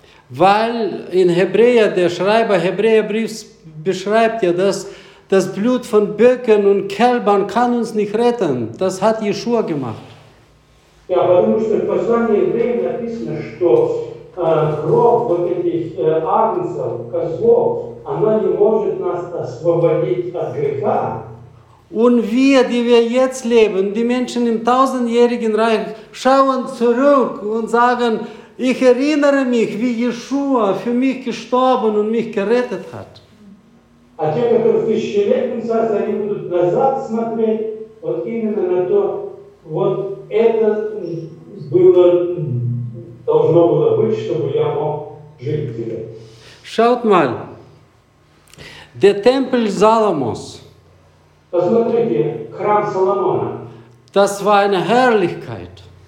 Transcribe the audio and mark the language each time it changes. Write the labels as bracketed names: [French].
[German] Weil in Hebräer, der Schreiber Hebräerbriefs beschreibt ja, dass das Blut von Böcken und Kälbern kann uns nicht retten. Das hat Jeschua gemacht. Ja, weil in dem [Russian] послании Hebräer написано, что кровь вот этих агнцев, козлов, она не может нас освободить от греха. [German] Und wir, die wir jetzt leben, die Menschen im tausendjährigen Reich, schauen zurück und sagen, ich erinnere mich, wie Jeschua für mich gestorben und mich gerettet hat. Und [Russian] было, должно было быть, чтобы я мог жить где-то. [German] Schaut mal, der Tempel Salomos. [Russian] Посмотрите, храм Соломона. [German] Das war eine Herrlichkeit.